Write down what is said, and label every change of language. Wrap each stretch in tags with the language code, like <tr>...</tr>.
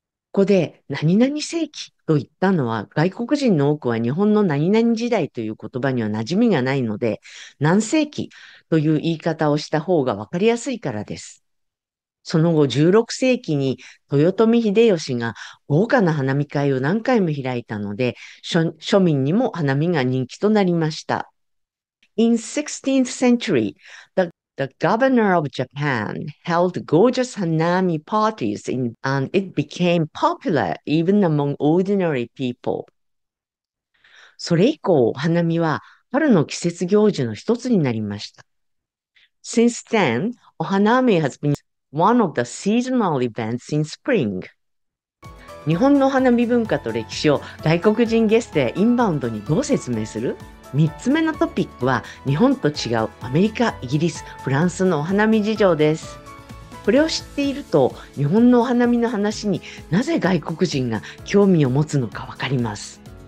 <ja>ここで何々世紀と言ったのは、外国人の多くは日本の何々時代という言葉には馴染みがないので、何世紀という言い方をした方がわかりやすいからです。その後16世紀に豊臣秀吉が豪華な花見会を何回も開いたので、庶民にも花見が人気となりました。</ja> <en>In 16th century, the governor of Japan held gorgeous hanami parties and it became popular even among ordinary people.</en> <ja>それ以降、花見は春の季節行事の一つになりました。</ja> <en>Since then, ohanami has beenOne of the seasonal events in spring.</en> <ja>日本の花見文化と歴史を外国人ゲストやインバウンドにどう説明する？ 3つ目のトピックは、日本と違うアメリカ、イギリス、フランスのお花見事情です。これを知っていると、日本のお花見の話になぜ外国人が興味を持つのかわかります。</ja>